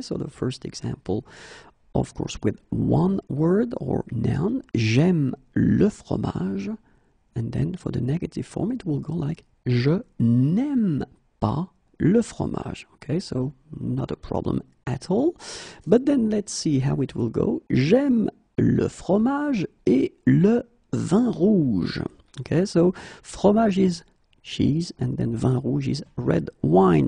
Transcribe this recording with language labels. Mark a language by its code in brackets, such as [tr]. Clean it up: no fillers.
[en] So the first example, of course, with one word or noun, [fr] j'aime le fromage, [en] and then for the negative form, it will go like [fr] je n'aime pas le fromage. [en] Okay, so not a problem at all. But then let's see how it will go. [fr] J'aime le fromage et le vin rouge. [en] Okay, so fromage is cheese, and then vin rouge is red wine.